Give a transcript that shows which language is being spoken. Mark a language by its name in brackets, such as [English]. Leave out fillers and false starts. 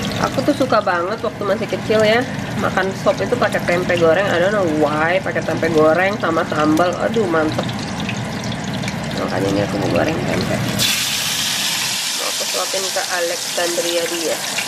[Indonesian] Aku tuh suka banget waktu masih kecil ya, makan sop itu pakai tempe goreng. [English] I don't know why, [Indonesian] pakai tempe goreng sama sambal. Aduh, mantep. Makanya ini aku mau goreng tempe. Mau aku suapin ke Alexandria dia.